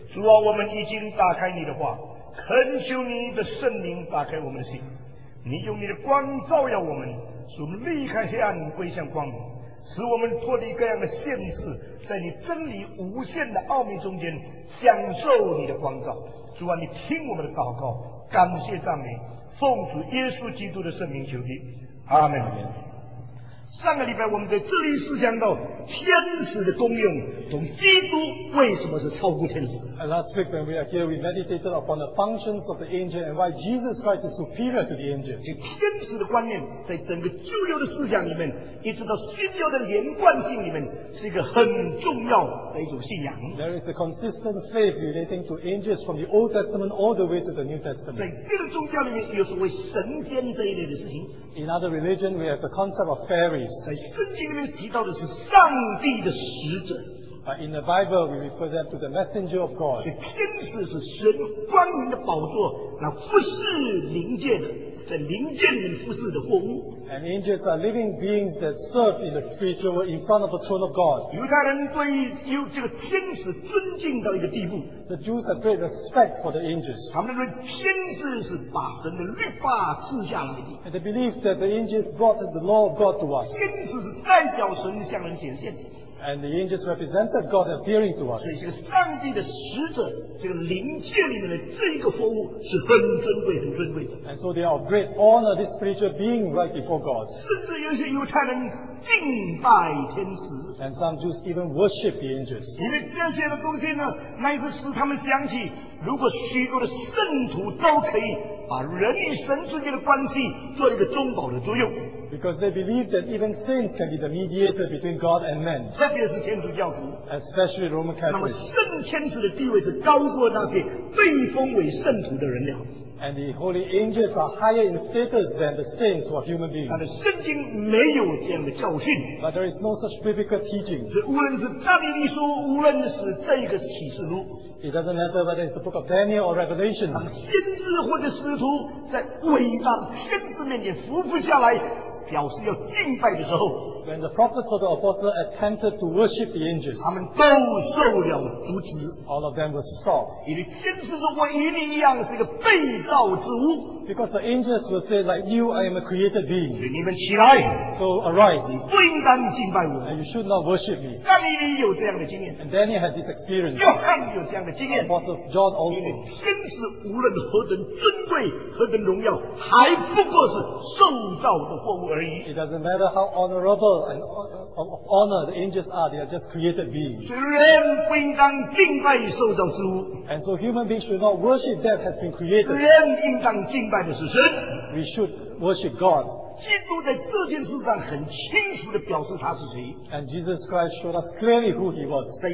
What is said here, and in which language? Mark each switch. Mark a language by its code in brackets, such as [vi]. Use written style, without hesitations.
[zh] 主啊，我们已经打开你的话，恳求你的圣灵打开我们的心，你用你的光照耀我们，使我们离开黑暗归向光明，使我们脱离各样的限制，在你真理无限的奥秘中间享受你的光照。主啊，你听我们的祷告，感谢赞美，奉主耶稣基督的圣名求你，阿门。上个礼拜我们在这里思想到天使的功用，从基督为什么是超乎天使。 [en] And last week when we are here, we meditated upon the functions of the angel and why Jesus Christ is superior to the angels. [zh] 天使的观念在整个旧约的思想里面，一直到新约的连贯性里面，是一个很重要的一种信仰。 [en] There is a consistent faith relating to angels from the Old Testament all the way to the New Testament. [zh] 在别的宗教里面，有所谓神仙这一类的事情。 [en] In other religion, we have the concept of fairies. [zh] 在圣经里面提到的是上帝的使者。 [en] But in the Bible, we refer them to the messenger of God. [zh] 所以天使是神光明的宝座，那服侍灵界的，在灵界里面服侍的货物。 [en] And angels are living beings that serve in the spiritual world in front of the throne of God. [zh] 犹太人对于这个天使尊敬到一个地步。 [en] The Jews have great respect for the angels. [zh] 他们认为天使是把神的律法赐下来的。 [en] And they believe that the angels brought the law of God to us. [zh] 天使是代表神向人显现。 [en] And the angels represented God appearing to us. [zh] 所以这个上帝的使者，这个灵界里面的这个活物是很尊贵、很尊贵的。 [en] And so they are of great honor, this spiritual being right before God. [zh] 甚至有些犹太人敬拜天使。 [en] And some Jews even worship the angels. [zh] 因为这些的东西呢，乃是使他们想起，如果许多的圣徒都可以把人与神之间的关系做一个中保的作用。 [en] Because they believe that even saints can be the mediator between God and men. [zh] 特别是天主教徒。 [en] Especially Roman Catholics. [zh] 那么圣天使的地位是高过那些被封为圣徒的人了。 [en] And the holy angels are higher in status than the saints or human beings. [zh] 但是圣经没有这样的教训。 [en] But there is no such biblical teaching. [zh] 无论是大利利书，无论是这个启示录。 [en] It doesn't matter whether it's the book of Daniel or Revelation. [zh] 当先知或者使徒在伟大天使面前匍匐下来。表示要敬拜的时候 [en] ，When the prophets or the apostles attempted to worship the angels， [zh] 他们都受了阻止 [en] ，All of them were stopped。 [zh] 因为天使是唯一一样是一个被造之物 [en] ，Because the angels will say like you, I am a created being。 [zh] 所以你们起来 [en] ，So arise。 [zh] 你不应当敬拜我 [en] ，And you should not worship me。 [zh] 但你有这样的经验 [en] ，And Daniel had this experience。 [zh] 约翰有这样的经验 [en] ，Apostle John also。 [zh] 因为天使无论何等尊贵、何等荣耀，还不过是受造的货物。 [en] It doesn't matter how honorable and of honor the angels are, they are just created beings. And so human beings should not worship that has been created. We should worship God. And Jesus Christ showed us clearly who he was.